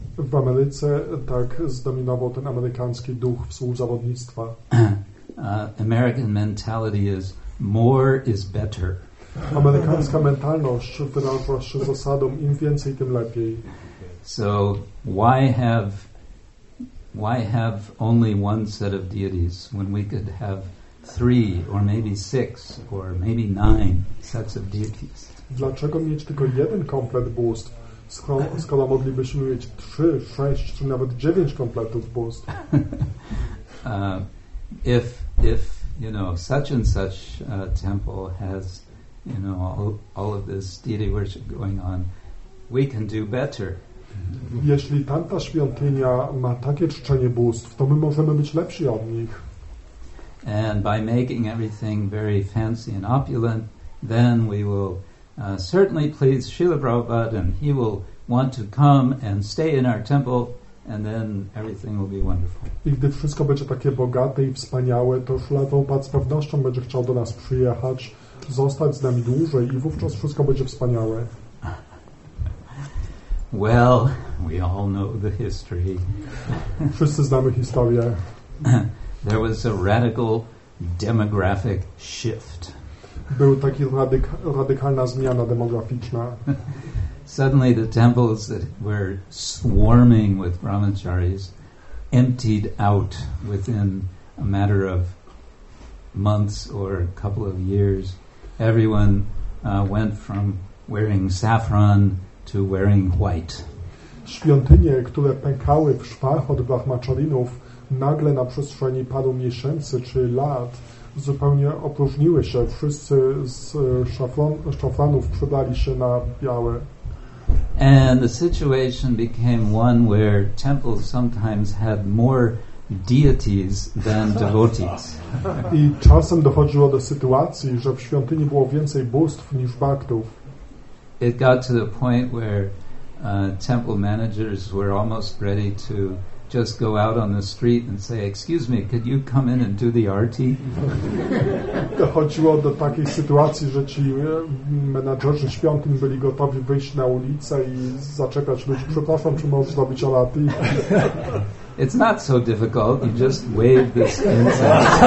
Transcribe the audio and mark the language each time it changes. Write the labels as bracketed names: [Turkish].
[Polish] W Ameryce tak zdominował ten amerykański duch współzawodnictwa. [English] American mentality is more is better. [Polish] Amerykańska mentalność wyraża się zasadą im więcej, tym lepiej. [English] So why have only one set of deities when we could have three or maybe six or maybe nine sets of deities? [Polish] Dlaczego mieć tylko jeden komplet bóstw, skoro moglibyśmy mieć trzy, sześć czy nawet dziewięć kompletów bóstw? [English] If you know, such and such temple has, you know, all of this deity worship going on, we can do better. [Polish] Jeśli tamta świątynia ma takie czczenie bóstw, to my możemy być lepsi od nich. [English] And by making everything very fancy and opulent, then we will certainly please Srila Prabhupada, and he will want to come and stay in our temple, and then everything will be wonderful. [Polish] I gdy wszystko będzie takie bogate i wspaniałe, to Srila Prabhupada z pewnością będzie chciał do nas przyjechać, zostać z nami dłużej i wówczas wszystko będzie wspaniałe. [English] Well, we all know the history. [Polish] Wszyscy znamy historię. [English] There was a radical demographic shift. [Polish] Był taki radykalna zmiana demograficzna. [English] Suddenly the temples that were swarming with brahmacharis emptied out within a matter of months or a couple of years. Everyone went from wearing saffron to wearing white. [Polish] Świątynie, które pękały w szwach od brahmacharinów, nagle na przestrzeni paru miesięcy czy lat zupełnie opróżniły się. Wszyscy z szaflanów przydali się na białe. [English] And the situation became one where temples sometimes had more deities than devotees. [Polish] I czasem dochodziło do sytuacji, że w świątyni było więcej bóstw niż bhaktów. [English] It got to the point where temple managers were almost ready to just go out on the street and say, excuse me, could you come in and do the arti? [Polish] Dochodziło do takiej sytuacji, że ci menadżerzy świątyń byli gotowi wyjść na ulicę i zaczekać ludzi. Przepraszam, czy możesz zrobić arti? [English] It's not so difficult. You just wave this incense.